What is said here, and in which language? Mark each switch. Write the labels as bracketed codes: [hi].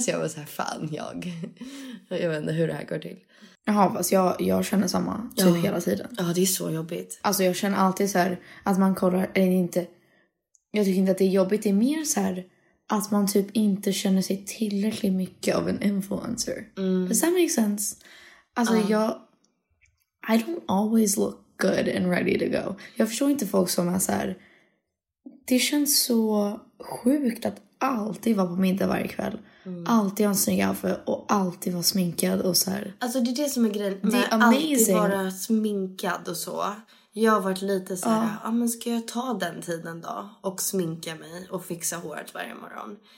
[sv] Så jag var så här, fan jag. Jag vet inte hur det här går till. Jaha, fast jag känner samma typ hela tiden. Ja, det är så jobbigt. Alltså jag känner alltid så här att man kollar, eller inte. Jag tycker inte att det är jobbigt, det är mer så här att man typ inte känner sig tillräckligt mycket av en influencer. Mm. [en] Does that make sense? [sv] Alltså jag, [en] I don't always look good and ready to go. [sv] Jag förstår inte folk som är så här. Det känns så sjukt att alltid vara på middag varje kväll. Mm. Alltid ha en snygg outfit och alltid vara sminkad och så här. Alltså det är det som är grejen med amazing. Alltid vara sminkad och så. Jag har varit lite så här, men ska jag ta den tiden då och sminka mig och fixa håret varje morgon?